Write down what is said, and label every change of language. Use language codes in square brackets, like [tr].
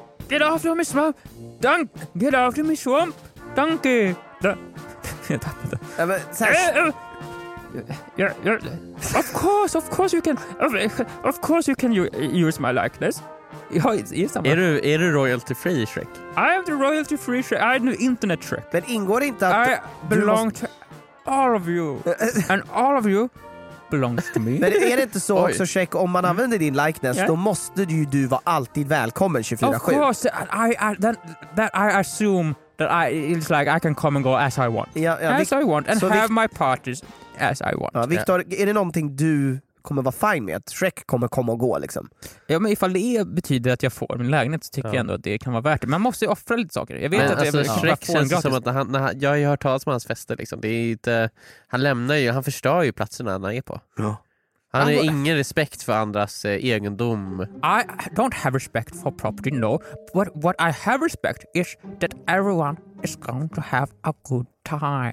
[en] Get off of my swamp! Dunk! Get off of my swamp! Dunky! [sv] Jag tappade. Ja, men, så här... [en] Of course you can. Of course you can use my likeness. [sv] Ja, är du royalty free Shrek? [en] I am the royalty free Shrek. I am the internet Shrek. [sv] Men ingår inte att [en] I belong to all of you and all of you belongs to me. [sv] Men är det inte så också Shrek, om man använder din likeness, yeah, då måste du vara alltid välkommen 24/7. [en] Of course I assume that I it's like I can come and go as I want. As I want and have my parties as I want. [sv] Ja, Victor, är det någonting du kommer vara fine med? Att Shrek kommer komma och gå liksom? Ja, men ifall det betyder att jag får min lägenhet så tycker jag ändå att det kan vara värt det. Man måste ju offra lite saker. Jag vet men, att alltså, jag Shrek känns gratis. Som att när han, jag har ju hört talas om hans fester liksom. Det är inte, han lämnar ju, han förstör ju platserna han är på. Ja. Han har ingen respekt för andras egendom. [en] I don't have respect for property, no. But what I have respect is that everyone is going to have a good time.